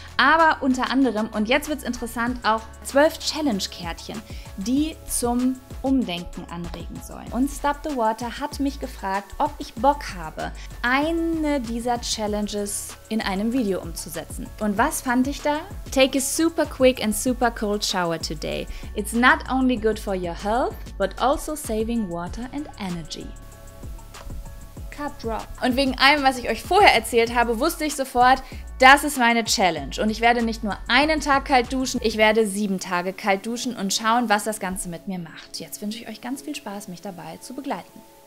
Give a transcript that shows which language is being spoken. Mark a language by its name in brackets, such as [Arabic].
[German] Aber unter anderem, und jetzt wird es interessant, auch 12 Challenge-Kärtchen, die zum Umdenken anregen sollen. Und Stop the Water hat mich gefragt, ob ich Bock habe, eine dieser Challenges in einem Video umzusetzen. Und was fand ich da? [English] Take a super quick and super cold shower today. It's not only good for your health, but also saving water and energy. [German] Und wegen allem, was ich euch vorher erzählt habe, wusste ich sofort, das ist meine Challenge. Und ich werde nicht nur einen Tag kalt duschen, ich werde 7 Tage kalt duschen und schauen, was das Ganze mit mir macht. Jetzt wünsche ich euch ganz viel Spaß, mich dabei zu begleiten.